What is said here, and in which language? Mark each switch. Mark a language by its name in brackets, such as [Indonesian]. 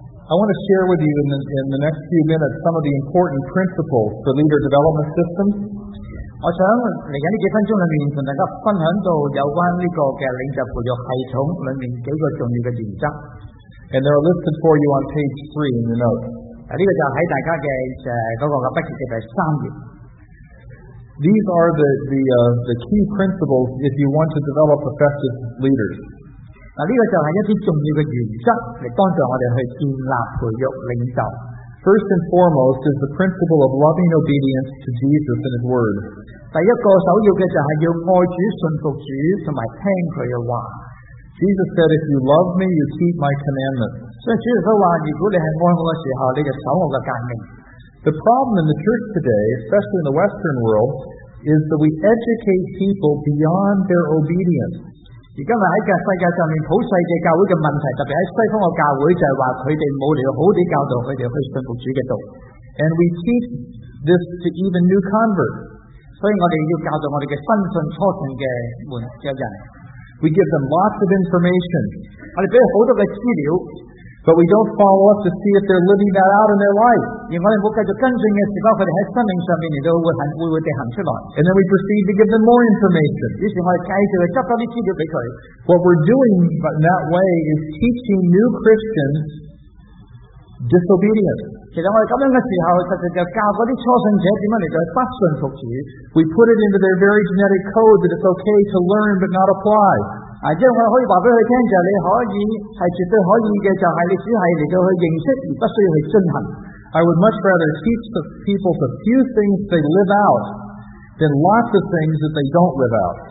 [English] I want to share with you in the next few minutes some of the important principles for leader development systems. [Cantonese] 我想嚟紧呢几分钟里面同大家分享到有关呢个嘅领袖培育系统里面几个重要嘅原则。 [English] And they're listed for you on page 3 in the note. [Cantonese] 呢个就喺大家嘅嗰个嘅笔记嘅第三页。 [English] These are the key principles if you want to develop effective leaders. [Cantonese] 呢个就系一啲重要嘅原则嚟帮助我哋去建立培育领袖。 [English] First and foremost is the principle of loving obedience to Jesus and His Word. [Cantonese] 第一个首要嘅就系要爱主、顺服主同埋听佢嘅话。 [English] Jesus said, "If you love me, you keep my commandments." [Cantonese] 所以主耶稣话：如果你系爱我嘅时候，你就守我嘅诫命。 [English] The problem in the church today, especially in the Western world, is that we educate people beyond their obedience. [Cantonese] 而今日喺世界上面普世嘅教会嘅问题，特别喺西方嘅教会，就系话佢哋冇了好啲教导，佢哋去顺服主嘅道。 [English] And we teach this to even new converts. [Cantonese] 所以我哋要教导我哋嘅新信初信嘅门嘅人。 [English] We give them lots of information. [Cantonese] 我哋俾佢好多嘅资料。 [English] But we don't follow up to see if they're living that out in their life. [Cantonese] 而我哋冇继续跟进嘅时候，佢哋喺生命上面，都会行，会地行出来。 [English] And then we proceed to give them more information. [Cantonese] 于是我哋继续去执多啲资料俾佢。 [English] What we're doing in that way is teaching new Christians disobedience. [Cantonese] 其实我哋咁样嘅时候，实际就教嗰啲初信者点样嚟到不顺服主。 [English] We put it into their very genetic code that it's okay to learn but not apply. [Cantonese] 即系我可以话俾佢听，就你可以系绝对可以嘅，就系你只系嚟到去认识，而不需要去进行。 [English] I would much rather teach the people the few things they live out than lots of things that they don't live out。